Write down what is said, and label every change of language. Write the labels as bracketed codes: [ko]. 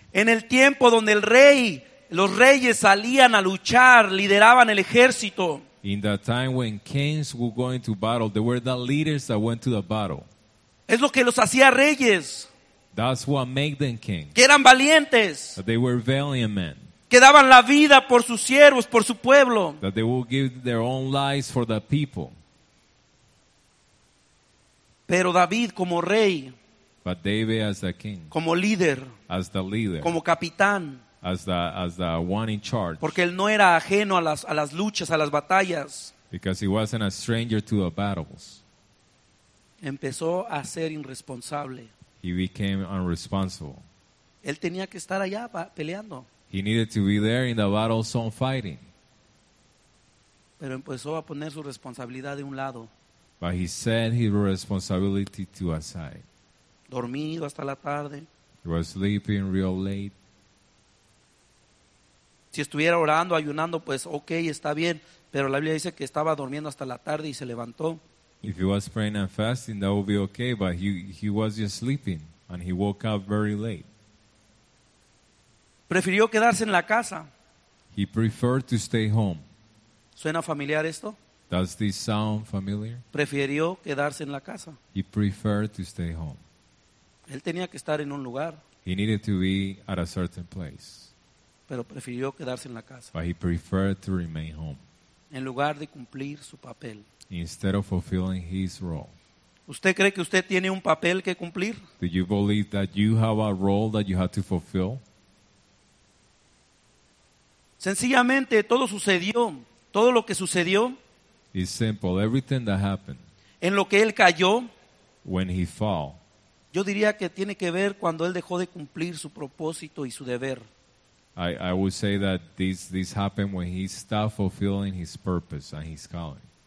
[es] En el tiempo donde los reyes salían a luchar, lideraban el ejército. [en] In the time when kings were going to battle, they were the leaders that went to the battle. [es] Es lo que los hacía reyes. [en] That's what made them kings. [es] Que eran valientes. [en] But they were valiant men. [es] Que daban la vida por sus siervos, por su pueblo. [en] That they will give their own lives for the people. [es] Pero David como rey. [en] But David as the king. [es] Como líder. [en] As the leader. [es] Como capitán. [en] As the one in charge. [es] Porque él no era ajeno a las luchas, a las batallas. [en] Because he wasn't a stranger to the battles. [es] Empezó a ser irresponsable. [en] He became irresponsible. [es] Él tenía que estar allá peleando. [en] He needed to be there in the battle zone fighting. [es] Pero empezó a poner su responsabilidad de un lado. [en] But he set his responsibility to aside. [es] Dormido hasta la tarde. [en] He was sleeping real late. [es] si estuviera orando, ayunando, pues ok, está bien. Pero la Biblia dice que estaba durmiendo hasta la tarde y se levantó. [en] If he was praying and fasting, that would be okay, but he was just sleeping and he woke up very late. [es] Prefirió quedarse en la casa. [en] He preferred to stay home. [es] ¿Suena familiar esto? [en] Does this sound familiar? [es] Prefirió quedarse en la casa. [en] He preferred to stay home. [es] Él tenía que estar en un lugar. [en] He needed to be at a certain place. [es] Pero prefirió quedarse en la casa. [en] But he preferred to remain home. [es] En lugar de cumplir su papel. [en] Instead of fulfilling his role. [es] ¿Usted cree que usted tiene un papel que cumplir? [en] Do you believe that you have a role that you have to fulfill? [es] Sencillamente, todo sucedió. Todo lo que sucedió. [en] It's simple. Everything that happened. [es] En lo que él cayó. [en] When he fell. [es] Yo diría que tiene que ver cuando él dejó de cumplir su propósito y su deber. [en] I would say that this happened when he stopped fulfilling his purpose and his calling.